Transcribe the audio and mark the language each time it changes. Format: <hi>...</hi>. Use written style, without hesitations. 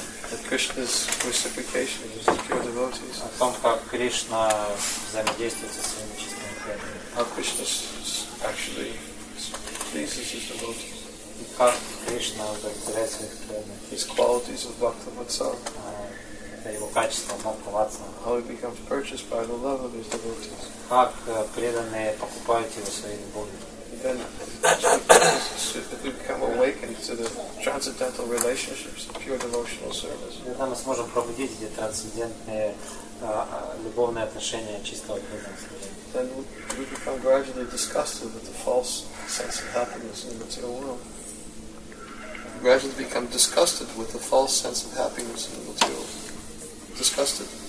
<en>That Krishna's reciprocation is pure devotees.</en> <ru>О том, как Кришна взаимодействует со своими чистыми преданными.</ru> <en>How Krishna actually pleases his devotees.</en> <ru>И как Кришна удовлетворяет своих преданных.</ru> <en>His qualities of bhakta vatsala.</en> <ru>Это его качество bhakta vatsala.</ru> <en>How he becomes purchased by the love of his devotees.</en> <ru>Как преданные покупают его своей любовью.</ru> <en>Then we become awakened to the transcendental relationships, pure devotional service.</en> <ru>Тогда мы сможем пробудить эти трансцендентные любовные отношения чистого преданства.</ru> <en>Then we become gradually disgusted with the false sense of happiness in the material world. Gradually become disgusted with the false sense of happiness in the material world. Disgusted.</en>